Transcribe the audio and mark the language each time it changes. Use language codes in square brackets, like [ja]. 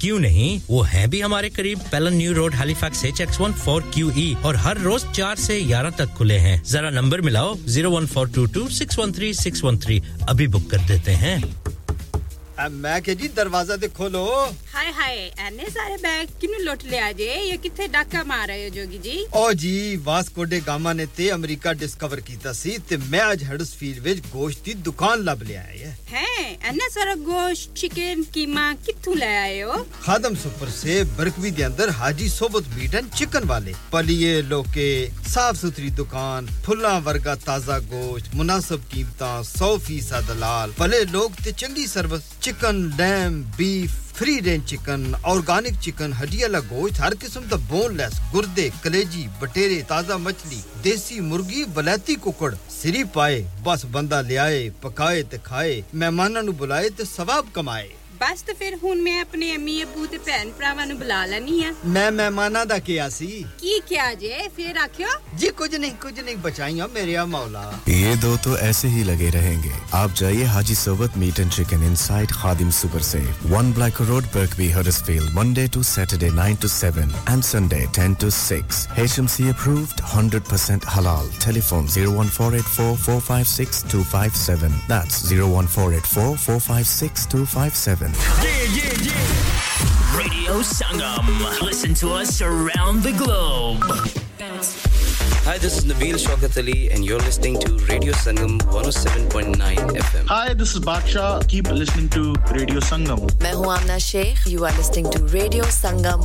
[ur] کیوں نہیں وہ ہیں بھی ہمارے قریب پیلن نیو روڈ ہیلیفیکس HX14QE اور ہر روز 4 سے 11 تک کھلے ہیں ذرا نمبر ملاؤ 01422613613 ابھی بک کر دیتے ہیں [pa] میں کہ جی دروازہ تے کھولو ہائے ہائے اینے سارے بیگ کینوں لوٹ لیا جے یہ کتھے ڈاکا مار رہے ہو جوگی جی او جی واسکو ڈی گاما نے تے امریکہ ڈسکور کیتا سی تے میں اج ہڈس فیلڈ وچ گوشت دی دکان لب لے آیا ہے ہیں اینے سارا گوشت چکن کیما کتھوں لے آئے ہو خادم سپر سے برکوی دے اندر حاجی صوبت میٹ اینڈ چکن والے پلیے لوکے صاف ستھری دکان پھلاں ورگا تازہ گوشت مناسب قیمتاں 100% دلال بھلے لوگ تے چنگی service chicken لیم beef free range chicken organic chicken ہڈی والا گوشت ہر قسم دا بون لیس گردے کلیجی بٹیرے تازہ مچھلی دیسی مرغی ولائتی ککڑ سری پائے بس بندہ لیائے پکائے تے کھائے مہماناں نوں بلائے تے ثواب کمائے بس تے پھر ہن میں اپنے امی ابو تے بھن بھراواں نوں بلا لینی ہاں میں مہماناں دا کیا سی کی کیا جے پھر آکھیو جی کچھ نہیں بچائیاں میرے مولا [ur] یہ دو تو ایسے ہی لگے رہیں گے آپ جائیے [en] Haji Sohbat meat and chicken inside Khadim super سے one black road Birkby Huddersfield Monday to Saturday 9 to 7 and Sunday 10 to 6 H M C approved 100% halal telephone 01484456257 that's 01484456257 Yeah. Radio Sangam. Listen to us around the globe. Hi, this is Nabeel Shaukat Ali, and you're listening to Radio Sangam 107.9 FM. Hi, this is Badshah. Keep listening to Radio Sangam. [ur] Main hu Amna Sheikh. [en] You are listening to Radio Sangam.